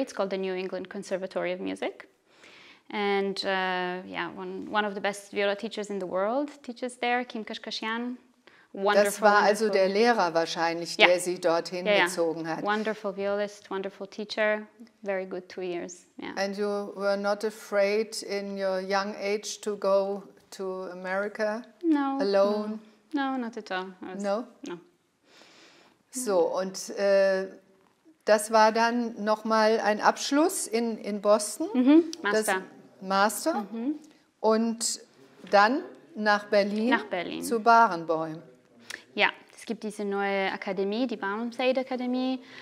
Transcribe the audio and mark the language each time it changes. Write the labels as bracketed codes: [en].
[en] It's called the New England Conservatory of Music. And one of the best viola teachers in the world teaches there, Kim Kashkashian. Wonderful, [de] das war also der Lehrer wahrscheinlich, der sie dorthin gezogen hat. [en] Wonderful violist, wonderful teacher, very good 2 years. Yeah. And you were not afraid in your young age to go to America alone? No, not at all. No. [de] So, und das war dann nochmal ein Abschluss in Boston. Mm-hmm. Master. Das Master. Mm-hmm. Und dann nach Berlin, zu Barenboim. Ja, es gibt diese neue Akademie, die Barenboim Akademie.